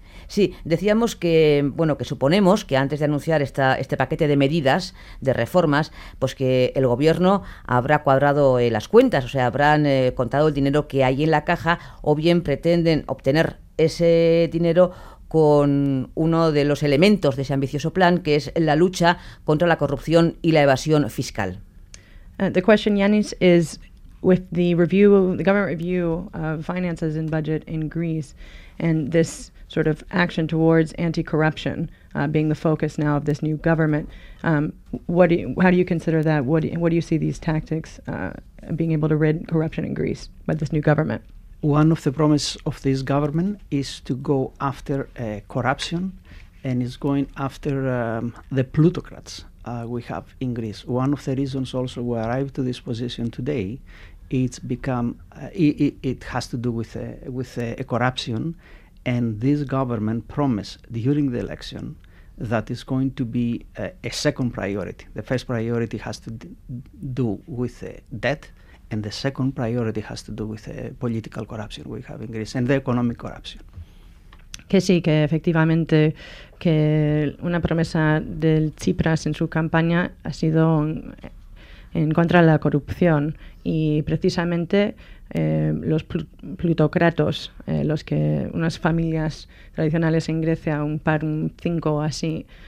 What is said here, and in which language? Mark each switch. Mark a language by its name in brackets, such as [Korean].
[Spanish] Sí, decíamos que, bueno, que suponemos que antes de anunciar este paquete de medidas, de reformas, pues que el gobierno habrá cuadrado las cuentas, o sea, habrán contado el dinero que hay en la caja, o bien pretenden obtener ese dinero con uno de los elementos de ese ambicioso plan, que es la lucha contra la corrupción y la evasión fiscal. [English] The question, Yanis, is with the review, the government review of finances and budget in Greece, and this sort of action towards anti-corruption being the focus now of this new government. How do you consider that? What do you see these tactics being able to rid corruption in Greece by this new government? One of the promises of this government is to go after corruption, and is going after the plutocrats we have in Greece. One of the reasons also we arrived to this position today, it's become it has to do with corruption. And this government promised during the election that is going to be a second priority. The first priority has to do with debt, and the second priority has to do with political corruption we have in Greece and the economic corruption. [Spanish] Que sí, que efectivamente, que una promesa del Tsipras en su campaña ha sido en contra de la corrupción, y precisamente los plutócratos, los que unas familias tradicionales en Grecia, un cinco así,